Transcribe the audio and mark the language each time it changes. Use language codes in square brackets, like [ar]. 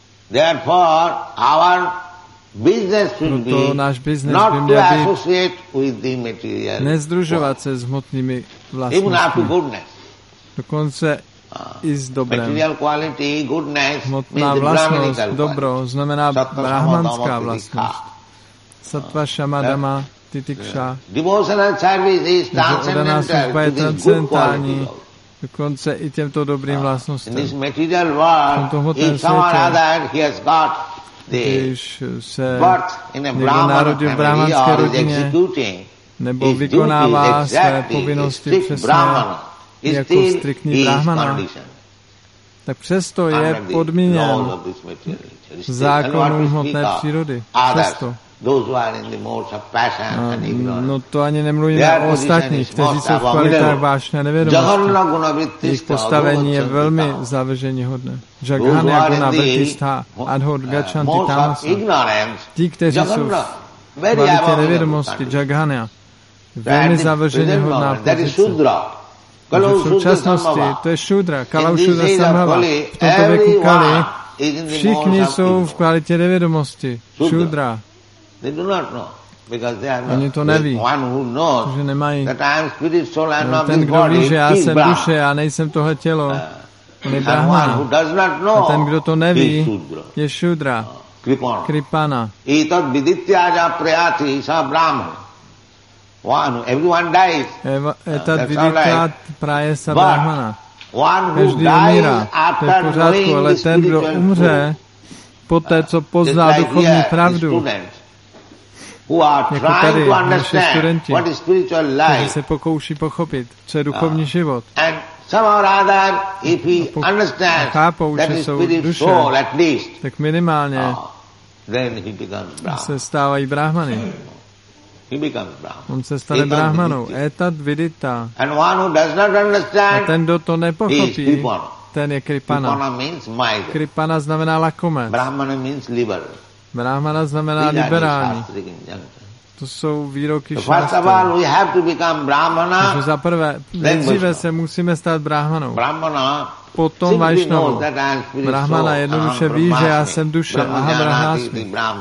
[en] Therefore our business should be not to associate with the material. [cs] Nezdružovat se s hmotnými vlastnostmi. [en] Even after goodness. [cs] Dokonce i s dobrem. [en] Material quality, goodness, [cs] hmotná vlastnost, dobro, znamená brahmanská vlastnost. [sa] Sattva, Shama, Dhamma, Titiksha. [en] Devotional service is transcendental, [cs] transcendentální, dokonce i těmto dobrým vlastnostem. [en] In this material world, in some other, he has got the birth in a Brahmanic family or is executing [cs] nebo vykonává své povinnosti přesně jako striktní brahmana, tak přesto je podmíněn zákonu hmotné přírody. Přesto. [en] Those who are in the modes of passion and ignorance. [cs] No, to ani nemluvíme o ostatních, kteří jsou v kvalitách vášně nevědomosti. Jejich postavení je velmi zavržení hodné. [sa] Jagan Yaguna Vrtistha Adhod Gacchanti Tamasa. [cs] Ti, kteří jsou v kvalitě nevědomosti, Jagana, velmi zavržení hodná pozice. Takže v současnosti, to je Šudra, [sa] Kalau Šudra Sambhava, [cs] v tomto věku Kali, všichni jsou v kvalitě nevědomosti, Šudra. [en] They do not know because they are [cs] oni [en] not [cs] to neví, [en] one who knows [cs] že nemají, [en] that I am spirit soul and not [cs] ten, [en] this body, [cs] kdo ví, že já jsem [en] Brahma. [cs] Duše a nejsem tohle tělo, on je Brahma. [en] One who does not know, [cs] a ten, kdo to neví, [en] he is Shudra. Kripana. [sa] Etat viditya prayati sa Brahma. [en] Everyone dies. [sa] Etat viditya praye sa Brahmana. [en] One who dies after knowing [cs] ale ten, kdo umře, poté, co pozná duchovní pravdu, [en] who are trying to understand [cs] studenti, [en] what is spiritual life. [cs] Kteří se pokouší pochopit, co je duchovní život. [en] And somehow or other, if he understands that he is spirit soul at least, [cs] tak minimálně [en] then he becomes Brahman. [cs] Se stávají brahmany. [en] He becomes Brahman. [cs] On se stane brahmanou. [sa] Etat vidita. [en] And one who does not understand, [cs] a ten, kdo to nepochopí, [en] he is Kripana. [cs] Ten je Kripana. [en] Kripana means miser. [cs] Kripana znamená lakomec. [en] Brahmana means liberal. [cs] Brahmana znamená liberální. To jsou výroky šastry. Za prvé, nejdříve se musíme stát brahmanou. Brahmana, potom vajšnovou. Brahmana jednoduše ví, že já jsem duše. [sa] Aha, brahmasmi.